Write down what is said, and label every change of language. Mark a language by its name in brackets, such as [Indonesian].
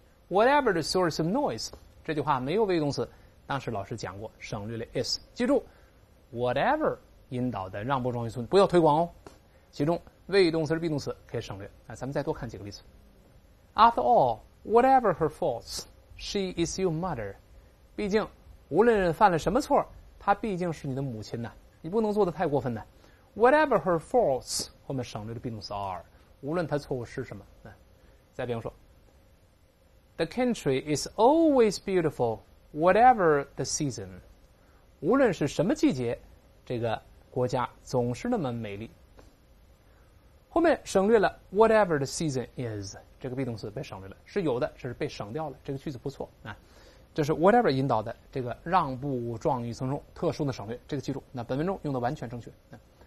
[English] whatever the source of noise， [Chinese] 这句话没有谓语动词，当时老师讲过省略了 is， 记住 whatever引导的让步状语从句不要推广哦，其中谓语动词是 be 动词可以省略。咱们再多看几个例子。 [English] After all, Whatever her faults, she is your mother. [Chinese] 毕竟无论犯了什么错，她毕竟是你的母亲呢，你不能做得太过分呢。 [English] Whatever her faults, [Chinese] 后面省略的 be 动词 are, 无论她错误是什么。嗯、再比方说 [English] The country is always beautiful, whatever the season. [Chinese] 无论是什么季节，这个国家总是那么美丽。后面省略了 [English] whatever the season is, [Chinese] 这个 be 动词被省略了，是有的，这是被省掉了，这个句子不错、啊、这是 whatever 引导的这个让步状语从中特殊的省略，这个记住，那本文中用的完全正确、啊、